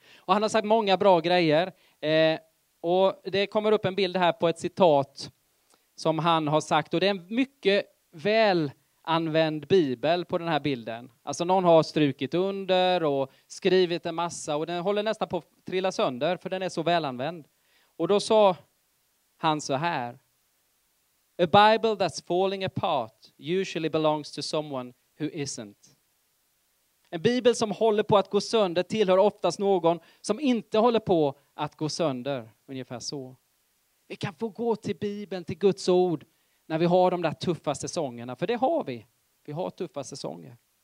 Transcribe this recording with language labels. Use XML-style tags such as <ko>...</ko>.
<sv>Och han har sagt många bra grejer. Och det kommer upp en bild här på ett citat som han har sagt. Och det är en mycket väl använd bibel på den här bilden. Alltså någon har strukit under och skrivit en massa. Och den håller nästan på att trilla sönder för den är så välanvänd. Och då sa han så här.</sv> <en>A bible that's falling apart usually belongs to someone who isn't.</en> <sv>En bibel som håller på att gå sönder tillhör oftast någon som inte håller på att gå sönder. Ungefär så. Vi kan få gå till bibeln, till Guds ord. När vi har de där tuffa säsongerna. För det har vi. Vi har tuffa säsonger.</sv>